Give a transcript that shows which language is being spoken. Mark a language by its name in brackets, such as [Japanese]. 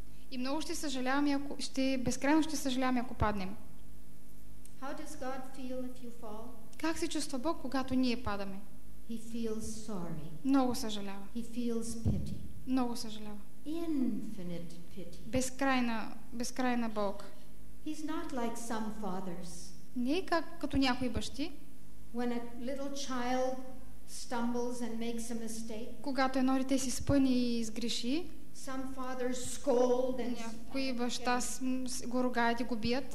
[Bulgarian] И много ще съжаляваме, ако ще безкрайно ще съжаляваме, ако паднем. [English] How does God feel if you fall? [Bulgarian] Как се чувства Бог, когато ние падаме? [English] He feels sorry. [Bulgarian] Много съжалява. [English] He feels pity. [Bulgarian] Много съжалява. [English] Infinite pity. [Bulgarian] Безкрайна Бог. [English] He's not like some fathers. [Bulgarian] Не е как като някои бащи. [English] When a little child stumbles and makes a mistake. [Bulgarian] Когато едно дете се спъне и изгреши. [English] Some fathers scold and [Bulgarian] кои баща го ругаят и го бият.